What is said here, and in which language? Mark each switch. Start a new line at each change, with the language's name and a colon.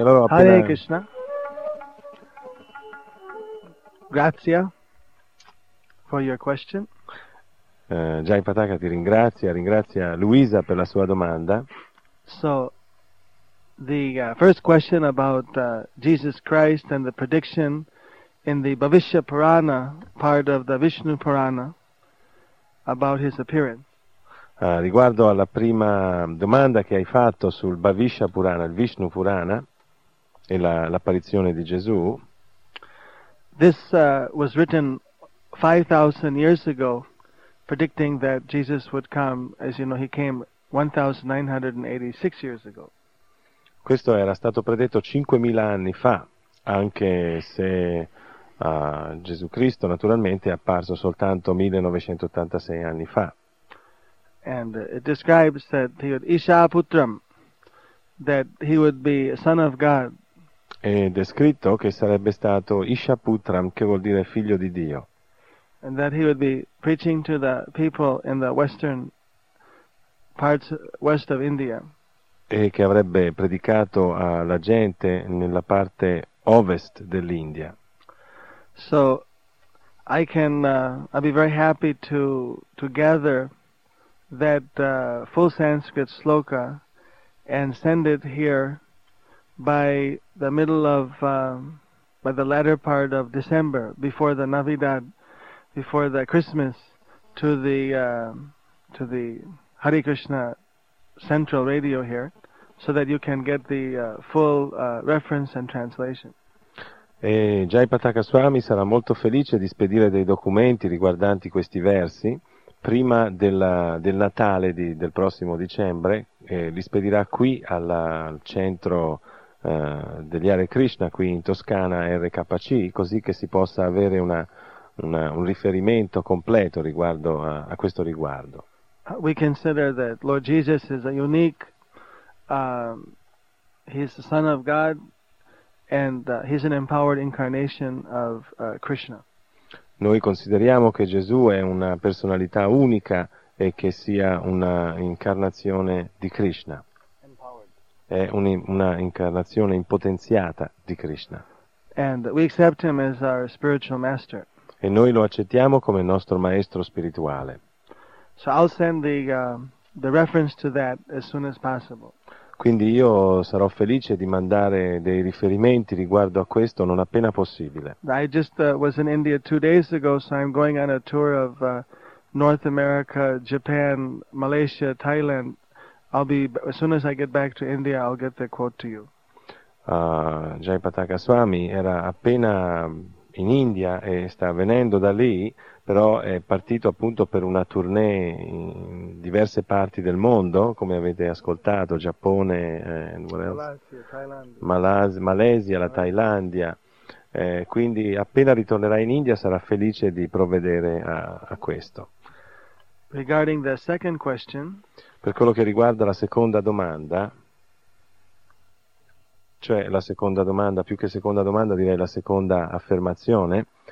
English: Hare Krishna, grazie for your question.
Italian: Jai Pataka ti ringrazia Luisa per la sua domanda.
English: So, the first question about Jesus Christ and the prediction in the Bhavishya Purana, part of the Vishnu Purana, about his appearance.
Italian: Riguardo alla prima domanda che hai fatto sul Bhavishya Purana, il Vishnu Purana, e l'apparizione di Gesù.
English: This was written 5,000 years ago, predicting that Jesus would come, as you know, he came 1,986 years ago.
Italian: Questo era stato predetto 5,000 anni fa, anche se Gesù Cristo naturalmente è apparso soltanto 1,986 anni fa.
English: And it describes that he would Isha Putram, that he would be a son of God.
Italian: Ed è scritto che sarebbe stato Ishaputram, che vuol dire figlio di Dio.
English: And that he would be preaching to the people in the western parts west of India.
Italian: E che avrebbe predicato alla gente nella parte ovest dell'India.
English: So I can I'll be very happy to gather that full Sanskrit sloka and send it here by the middle of by the latter part of December, before the Navidad, before the Christmas, to the Hare Krishna Central Radio here, so that you can get the full reference and translation.
Italian: E Jai Pataka Swami sarà molto felice di spedire dei documenti riguardanti questi versi prima del Natale del prossimo dicembre, e li spedirà qui al centro degli Hare Krishna qui in Toscana RKC, così che si possa avere un riferimento completo riguardo a questo riguardo.
English: We consider that Lord Jesus is a unique he's the son of God and he's an empowered incarnation of Krishna.
Italian: Noi consideriamo che Gesù è una personalità unica e che sia una incarnazione di Krishna. È una incarnazione impotenziata di Krishna.
English: And we accept him as our spiritual master.
Italian: E noi lo accettiamo come nostro maestro spirituale.
English: So I'll send the reference to that as soon as possible.
Italian: Quindi io sarò felice di mandare dei riferimenti riguardo a questo non appena possibile.
English: I just was in India 2 days ago, so I'm going on a tour of North America, Japan, Malaysia, Thailand. I'll be as soon as I get back to India, I'll get the quote to you.
Italian: Jai Pataka Swami era appena in India e sta venendo da lì, però è partito appunto per una tournée in diverse parti del mondo, come avete ascoltato, Giappone, Malesia, la Thailandia. Quindi appena ritornerà in India sarà felice di provvedere a questo.
English: Regarding the second question.
Italian: Per quello che riguarda la seconda domanda, cioè la seconda domanda, più che seconda domanda direi la seconda affermazione.